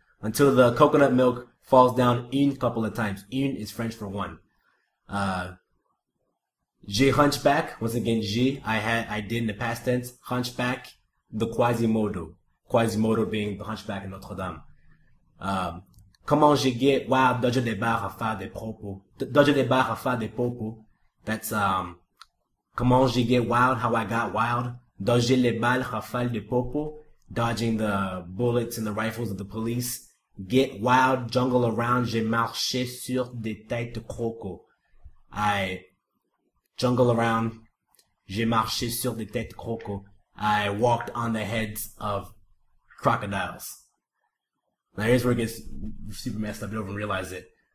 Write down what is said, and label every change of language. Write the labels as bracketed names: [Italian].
[English] Until the coconut milk falls down une couple of times. Une is French for one. [French] J'ai hunchback. [English] Once again, I did in the past tense. Hunchback, the Quasimodo. Quasimodo being the hunchback in Notre Dame. [French] Comment j'ai get wild, dodge des barres à faire des popos. Dodge des barres à faire des popos. [English] That's, comment j'ai get wild, how I got wild. [French] Dodge les balles à faire des popos. [English] Dodging the bullets and the rifles of the police. [French] Get wild, jungle around, j'ai marché sur des têtes de croco. I jungle around, j'ai marché sur des têtes de croco. [English] I walked on the heads of crocodiles. Now here's where it gets super messed up, I don't even realize it.